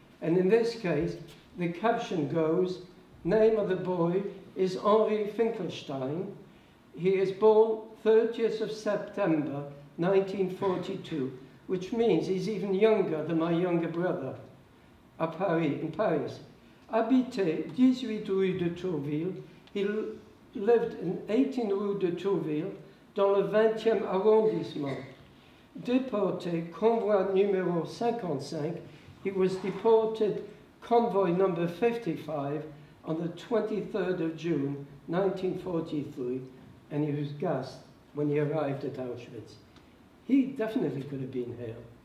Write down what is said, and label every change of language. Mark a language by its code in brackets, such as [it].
[en] And in this case, the caption goes, name of the boy is Henri Finkelstein. He is born 30th of September, 1942. Which means he's even younger than my younger brother, [fr] à Paris, [en] in Paris. [fr] Habité 18 rue de Tourville, [en] he lived in 18 rue de Tourville, [fr] dans le 20e arrondissement. Deporté, convoi numéro 55, [en] he was deported, convoy number 55, on the 23rd of June, 1943, and he was gassed when he arrived at Auschwitz. He definitely could have been here.